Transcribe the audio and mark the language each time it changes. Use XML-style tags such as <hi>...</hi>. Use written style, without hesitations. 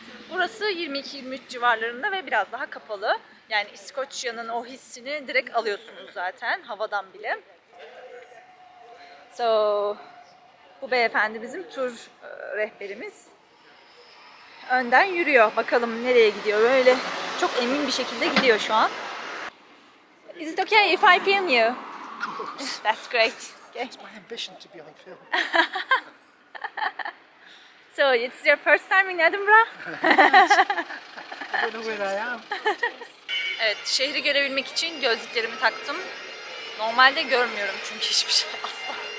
<tr>Burası 22-23 civarlarında ve biraz daha kapalı. Yani İskoçya'nın o hissini direkt alıyorsunuz zaten havadan bile. So... Bu beyefendi bizim tur rehberimiz. Önden yürüyor. Bakalım nereye gidiyor. Böyle çok emin bir şekilde gidiyor şu an.</tr> <en>Is it okay if I film you? Of course. That's great. Okay. It's my ambition to be on film. So, it's your first time in Edinburgh? I don't know where I am.</en> <tr>Evet, şehri görebilmek için gözlüklerimi taktım. Normalde görmüyorum çünkü hiçbir şey asla.</tr>